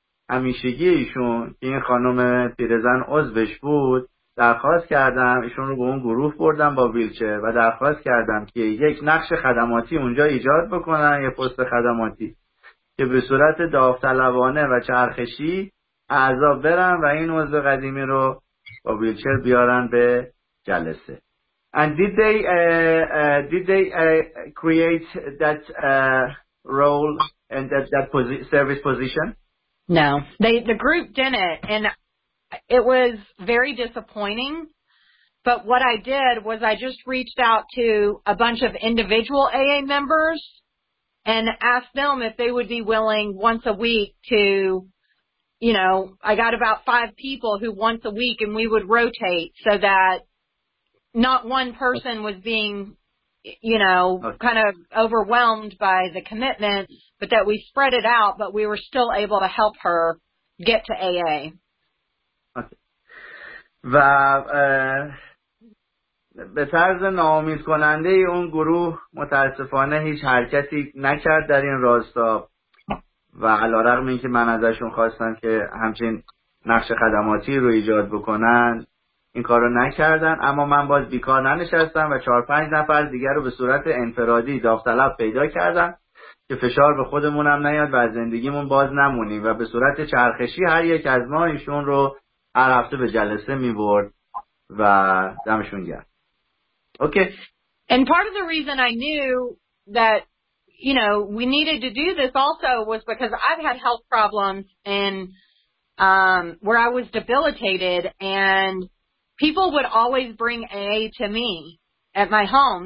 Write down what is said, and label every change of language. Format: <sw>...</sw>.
<fa>همیشگی ایشون که این خانم پیرزن عضوش بود درخواست کردم، ایشون رو به اون گروه بردم با ویلچر و درخواست کردم که یک نقش خدماتی اونجا ایجاد بکنن، یه پست خدماتی که به صورت داوطلبانه و چرخشی اعضا برن و این عضو قدیمی رو با ویلچر بیارن به جلسه.</fa> <en>And did they create that role and that service position? No, the group didn't, and it was very disappointing. But what I did was I just reached out to a bunch of individual AA members and asked them if they would be willing once a week to, you know, I got about 5 people who once a week, and we would rotate so that not one person was being, you know, kind of overwhelmed by the commitment, but that we spread it out, but we were still able to help her get to AA.</en> <fa>و به طرز ناامید کننده اون گروه متاسفانه هیچ حرکتی نکرد در این راستا، و علارغم این که من ازشون خواستم که همچین نقش خدماتی رو ایجاد بکنن، این کار رو نکردن. اما من باز بیکار ننشستم و 4-5 نفر دیگر رو به صورت انفرادی داوطلب پیدا کردم که فشار به خودمونم نیاد و از زندگیمون باز نمونیم، و به صورت چرخشی هر یک از ما ایشون رو هر هفته به جلسه می برد و دمشون گرم. اوکی.</fa> <en>And part of the reason I knew that, you know, we needed to do this also was because I've had health problems and where I was debilitated, and people would always bring AA to me at my home.</en>